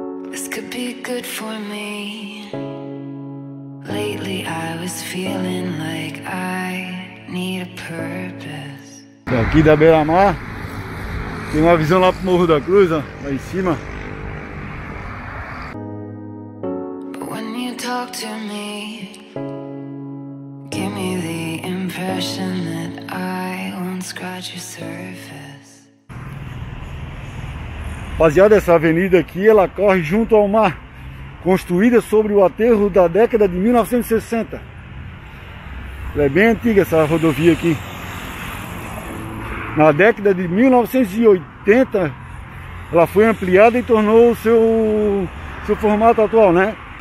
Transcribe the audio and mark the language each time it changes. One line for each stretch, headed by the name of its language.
English: This could be good for me. Lately I was feeling like I need a purpose.
Portuguese: Daqui da beira-mar tem uma visão lá pro Morro da Cruz, ó, lá em cima.
English: But when you talk to me, give me the impression that I won't scratch your surface.
Portuguese: Rapaziada, essa avenida aqui ela corre junto ao mar, construída sobre o aterro da década de 1960. Ela é bem antiga essa rodovia aqui. Na década de 1980, ela foi ampliada e tornou o seu formato atual, né?